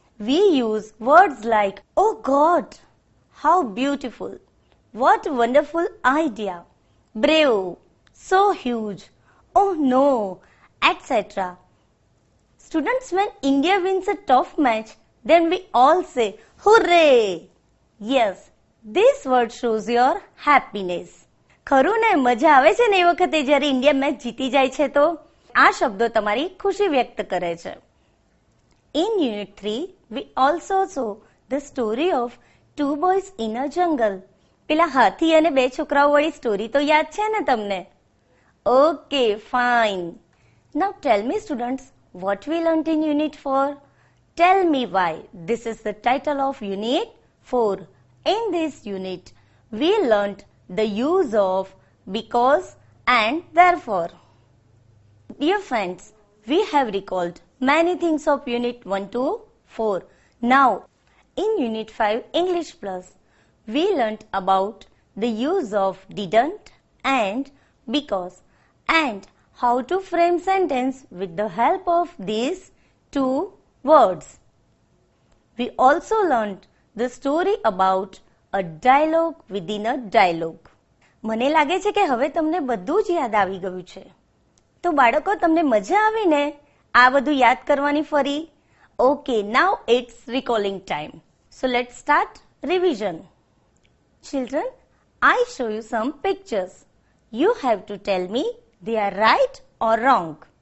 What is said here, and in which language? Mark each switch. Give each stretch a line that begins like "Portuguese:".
English: We use words like, oh God, how beautiful, what wonderful idea, brave, so huge, oh no, etc. Students, when India wins a tough match, then we all say, hooray, yes. This word shows your happiness.
Gujarati: ખરું ને, મજા આવે છે ને એ વખતે જ્યારે India match જીતી જાય છે? તો આ શબ્દો તમારી ખુશી વ્યક્ત કરે છે.
English: In unit 3, we also saw the story of two boys in a jungle.
Gujarati: પેલા હાથી અને બે છોકરાઓ વાળી સ્ટોરી તો યાદ છે ને તમને?
English: Okay, fine. Now tell me students, what we learnt in unit 4? Tell me why. This is the title of unit 4. In this unit, we learnt the use of because and therefore. Dear friends, we have recalled many things of unit 1 to 4. Now, in unit 5, English Plus, we learnt about the use of didn't and because and how to frame sentence with the help of these two words. We also learned the story about a dialogue within a dialogue.
Gujarati: મને લાગે છે કે હવે તમને બધું જ યાદ આવી ગયું છે. તો બાળકો, તમને મજા આવી ને આ બધું યાદ કરવાની ફરી?
English: Okay, now it's recalling time, so let start revision. Children, I show you some pictures, you have to tell me they are right or wrong.